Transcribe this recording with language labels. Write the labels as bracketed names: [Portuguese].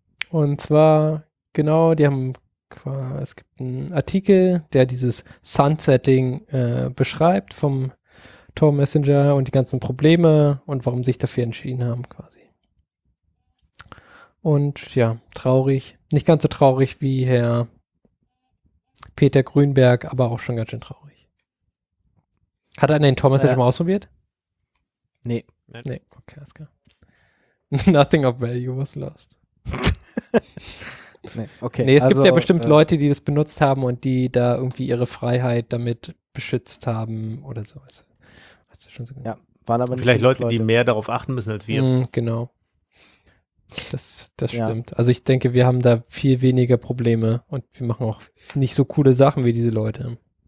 [German] Und zwar, genau, die haben quasi, es gibt einen Artikel, der dieses Sunsetting beschreibt vom Tor-Messenger und die ganzen Probleme und warum sie sich dafür entschieden haben, quasi. Und ja, traurig. Nicht ganz so traurig wie Herr Peter Grünberg, aber auch schon ganz schön traurig. Hat er den Tor-Messenger schon mal ausprobiert? Nee. Okay, alles klar. [English] Nothing of value was lost. [German] Nee, es gibt ja bestimmt Leute, die das benutzt haben und die da irgendwie ihre Freiheit damit beschützt haben oder so. Also schon so ja, waren aber nicht vielleicht Leute, die mehr darauf achten müssen als wir. Genau. Das stimmt. Also ich denke, wir haben da viel weniger Probleme und wir machen auch nicht so coole Sachen wie diese Leute.